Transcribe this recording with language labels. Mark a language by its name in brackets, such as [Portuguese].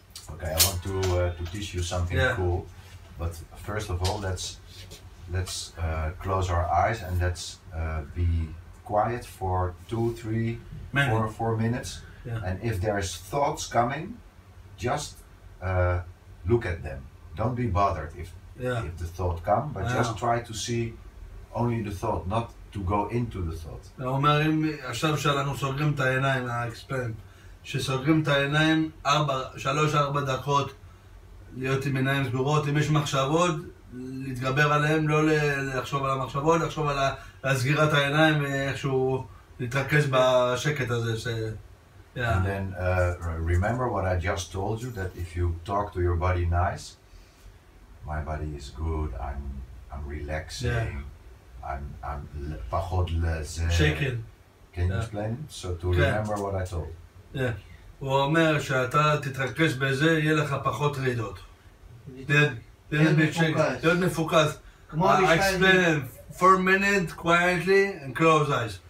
[English] Okay, I want to teach you something cool. But first of all, let's close our eyes and let's be quiet for 2, 3, 4 minutes. Yeah. And if there's thoughts coming, just look at them. Don't be bothered if the thought come, but just try to see only the thought, not to go into the thought. [Hebrew] אומרים עכשיו שאנחנו סוגרים את העיניים, אקספנד, שסוגרים את העיניים 3-4 דקות להיות עם עיניים סגורות, אם יש מחשבות, להתגבר עליהם, לא לחשוב על המחשבות, לחשוב על הסגירת העיניים, איכשהו להתרכז בשקט הזה ש... [English] Yeah. And then remember what I just told you, that if you talk to your body nice, my body is good, I'm relaxing, yeah. I'm [Hebrew] פחות לזה. [English] Shaken. Can you explain? So to remember what I told. Yeah. [Hebrew] הוא אומר שאתה תתרכז בזה, יהיה לך פחות רעידות. להיות מפוקס. [English] I explain it 4 minutes quietly and close eyes.